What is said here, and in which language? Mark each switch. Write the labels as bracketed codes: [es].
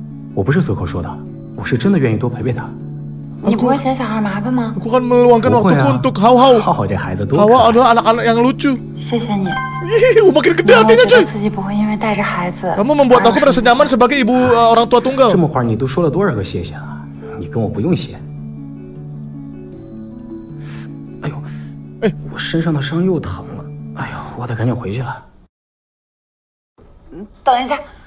[zh] 我不是随口说的，我是真的愿意多陪陪他。你不会嫌小孩麻烦吗？ [id] Aku kan meluangkan waktuku untuk Hao. [zh] Hao 这孩子多 [id] Hao adalah anak-anak yang lucu. [zh] 谢谢你。 [id] Wih, makin gede hatinya cuy. [zh] 自己不会因为带着孩子。 [id] Kamu membuat aku merasa nyaman sebagai ibu orang tua tunggal. [zh] 这么会儿你都说了多少个谢谢啊？你跟我不用谢。哎呦， 我身上的伤又疼了。哎呦，我得赶紧回去了。等一下。